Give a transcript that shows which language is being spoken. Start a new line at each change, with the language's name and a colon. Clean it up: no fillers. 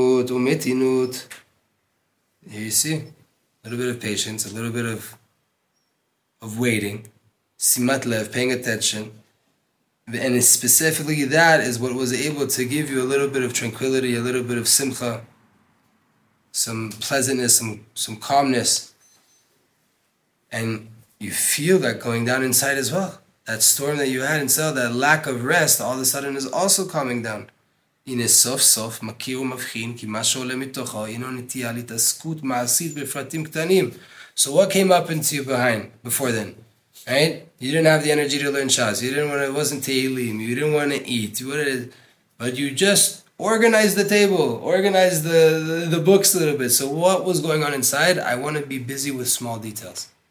English: Here you see, a little bit of patience, a little bit of waiting, simat lev, paying attention, and specifically that is what was able to give you a little bit of tranquility, a little bit of simcha, some pleasantness, some calmness, and you feel that going down inside as well. That storm that you had inside, that lack of rest, all of a sudden is also calming down.
Hebrew: הנה סוף סוף מכיר ומבחין כי מה שעולה מתוכו הינו נטייה להתעסקות מעשית בפרטים קטנים.
English: So what came up into you behind before then? Right? You didn't have the energy to learn Shas. It wasn't Tehillim. You didn't want to eat. But you just organized the table. Organized the books a little bit. So what was going on inside? I want to be busy with small details.